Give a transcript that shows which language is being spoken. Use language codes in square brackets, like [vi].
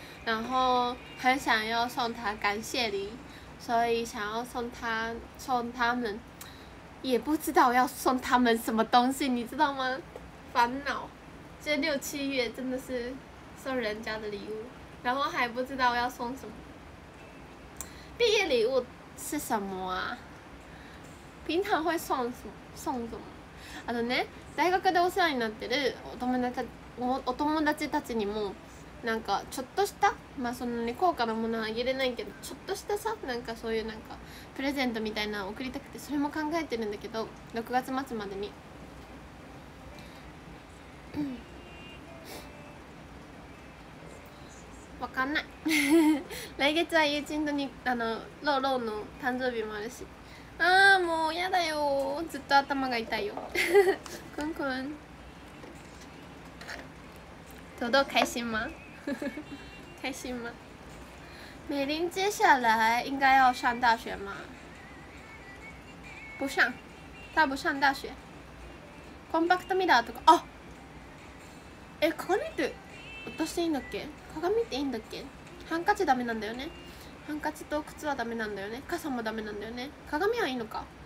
[zh] 然后很想要送他感谢礼，所以想要送他们，也不知道要送他们什么东西，你知道吗？烦恼，这六七月真的是送人家的礼物。然后还不知道要送什么，毕业礼物是什么啊？平常会送什么？送什么？ [ja] あのね、大学でお世話になってるお友達たちにも、なんかちょっとしたまあそのね高価なものはあげれないけど、ちょっとしたさなんかそういうなんかプレゼントみたいなの送りたくて、それも考えてるんだけど、6月末までに。わかんない来月は友人とにあのローローの誕生日もあるし、あーもうやだよ、ずっと頭が痛いよくんくん、トド [zh] 開心吗？開心吗？美玲接下来应该要上大学吗？不上，他不上大学。 [ja] コンパクトミラーとか、あ、え、かかれて落としていいんだっけ？鏡っていいんだっけ？ハンカチダメなんだよね。ハンカチと靴はダメなんだよね。傘もダメなんだよね。鏡はいいのか。